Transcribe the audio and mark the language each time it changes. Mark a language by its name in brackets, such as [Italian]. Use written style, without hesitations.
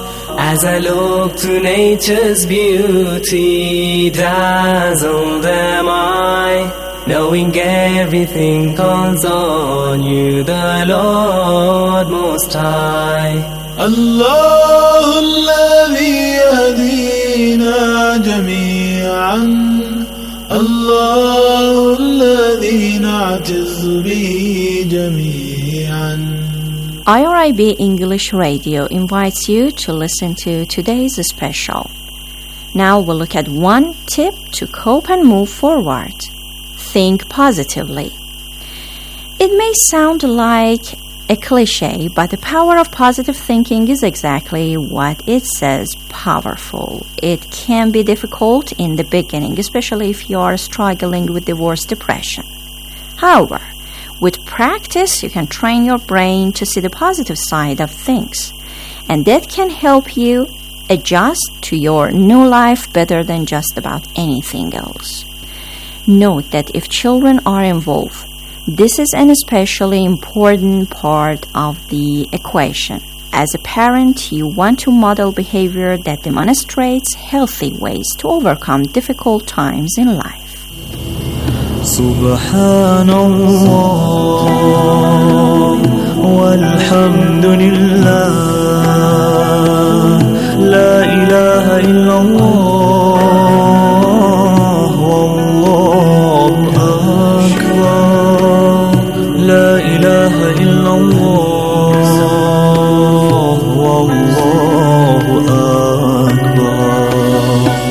[English] as I look to nature's beauty, dazzled am I, knowing everything calls on you, the Lord Most High. [Arabic] Allah الذي يهدينا جميعا, Allah الذي نعتز به جميعا. [English] IRIB English Radio invites you to listen to today's special. Now we'll look at one tip to cope and move forward. Think positively. It may sound like a cliche, but the power of positive thinking is exactly what it says, powerful. It can be difficult in the beginning, especially if you are struggling with divorce depression. However, with practice, you can train your brain to see the positive side of things, and that can help you adjust to your new life better than just about anything else. Note that if children are involved, this is an especially important part of the equation. As a parent, you want to model behavior that demonstrates healthy ways to overcome difficult times in life. [Arabic] سبحان الله والحمد لله لا إله إلا الله والله أكبر لا إله إلا الله والله أكبر